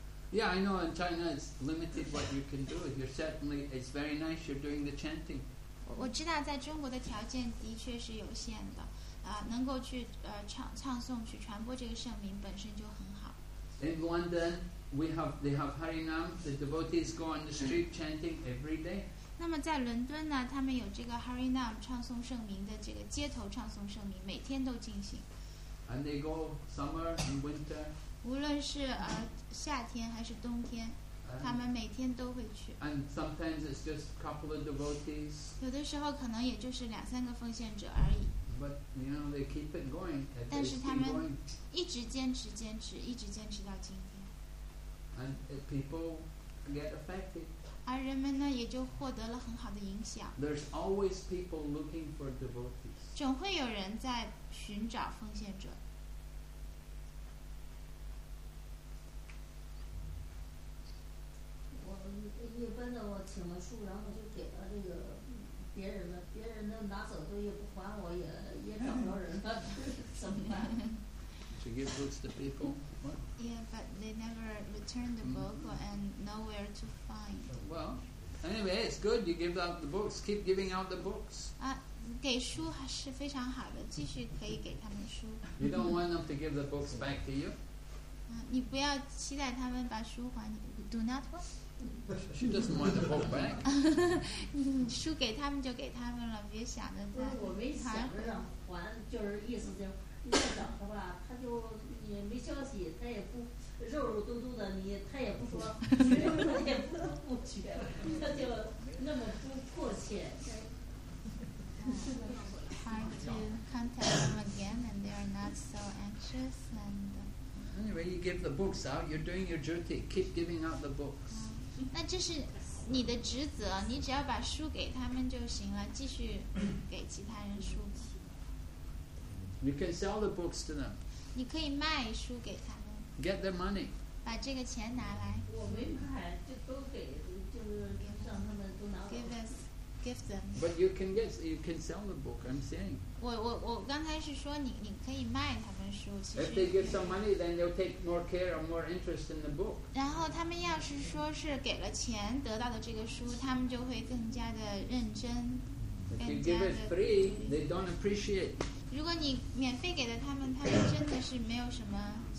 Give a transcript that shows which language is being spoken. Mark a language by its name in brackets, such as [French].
[English] Yeah, I know in China it's limited what you can do. You're certainly, it's very nice you're doing the chanting. [Chinese] 我知道在中国的条件的确是有限的，能够去唱诵去传播这个圣名本身就很好。 [English] In London, they have Harinam, the devotees go on the street chanting every day. [Chinese] 那么在伦敦呢，他们有这个 Harinam 唱诵圣名的这个街头唱诵圣名，每天都进行。 [English] And they go summer and winter. [Chinese] 无论是夏天还是冬天，他们每天都会去。 [English] And sometimes it's just a couple of devotees. [Chinese] 有的时候可能也就是两三个奉献者而已。 [English] But you know they keep it going. [Chinese] 但是他们一直坚持，坚持，一直坚持到今天。 [English] And people get affected. [Chinese] 而人们呢，也就获得了很好的影响。 [English] There's always people looking for devotees. [Chinese] 总会有人在寻找奉献者。一般的我请了书，然后就给了这个别人了，别人的拿走都也不还我，也找不着人了，怎么办？ [English] To give books to people. What? Yeah, but they never return the book and nowhere to find. Well, anyway, it's good. You give out the books. Keep giving out the books. [Chinese] 给书是非常好的，继续可以给他们书。 [English] You don't want them to give the books back to you? [Chinese] 你不要期待他们把书还你。 [English] Do not want. She doesn't want the book back. [Chinese] 书给他们就给他们了，别想着再还。我没想着还，就是意思就是再等的话，他就也没消息，他也不。肉肉嘟嘟的你，他也不说，他也不说不绝，他就那么不迫切。 [English] Try to contact them again, and they are not so anxious. And anyway, you give the books out. You're doing your duty. Keep giving out the books. [Chinese] 那这是你的职责，你只要把书给他们就行了，继续给其他人书。 [English] You can sell the books to them. [Chinese] 你可以卖书给他。 [English] Get the money. [Chinese] 把这个钱拿来。我没买，就都给，就是让他们都拿。 [English] Give them. But you can get, you can sell the book. I'm saying. [Chinese] 我刚才是说你可以卖他们书。 [English] If they give some money, then they'll take more care or more interest in the book. [Chinese] 然后他们要是说是给了钱得到的这个书，他们就会更加的认真。 [English] If you give it free, they don't appreciate. [Chinese] 如果你免费给了他们，他们真的是没有什么。